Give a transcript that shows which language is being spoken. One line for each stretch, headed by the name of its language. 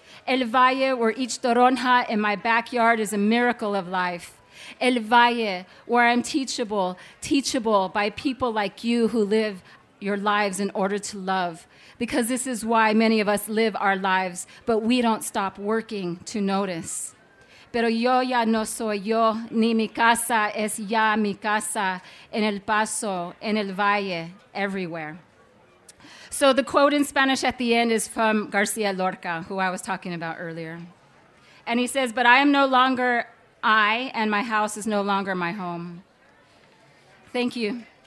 English: El Valle, where each toronja in my backyard is a miracle of life. El Valle, where I'm teachable, teachable by people like you who live your lives in order to love. Because this is why many of us live our lives, but we don't stop working to notice.
Spanish: Pero yo ya no soy yo, ni mi casa es ya mi casa, en El Paso, en El Valle, everywhere.
English: So the quote in Spanish at the end is from García Lorca, who I was talking about earlier. And he says, but I am no longer I, and my house is no longer my home. Thank you.